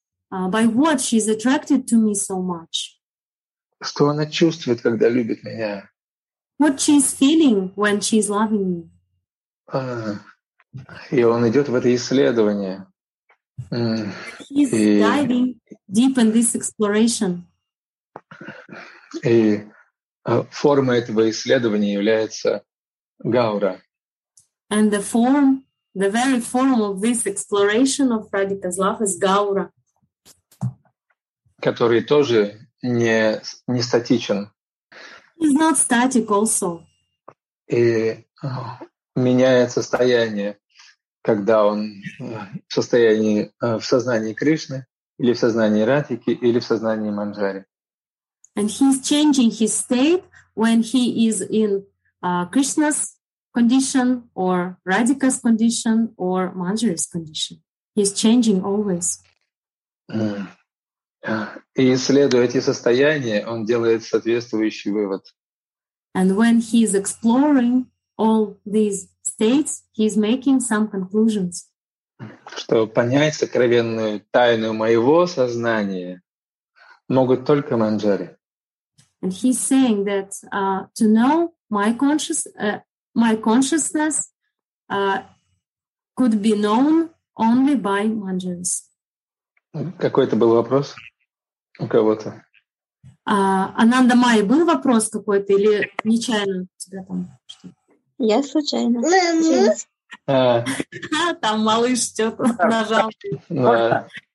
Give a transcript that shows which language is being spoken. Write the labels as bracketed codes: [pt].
[en] By what she's attracted to me so much? [ru] Что она чувствует, когда любит меня? [en] What she's feeling when she's loving me? [ru] И он идет в это исследование. [en] Diving deep in this exploration. [ru] И форма этого исследования является Гаура. [en] And the form, the very form of this exploration of Radhika's love is Gaura. [ru] Который тоже не статичен. [en] He's not static also. [ru] И меняет состояние. Когда он в состоянии в сознании Кришны или в сознании Радхики или в сознании Манджари. [en] And he's changing his state when he is in Krishna's condition or Radhika's condition or Manjari's condition. He's changing always. [ru] И исследуя эти состояния, он делает соответствующий вывод. [en] And when he is exploring all these states, he's making some conclusions. [ru] Что понять сокровенную тайну моего сознания могут только Манджари. [en] And he's saying that to know my consciousness could be known only by Manjaris. [ru] Какой это был вопрос у кого-то? Ананда Майя, был вопрос какой-то или нечаянно у тебя там что-то? Я случайно. Там малыш что-то нажал.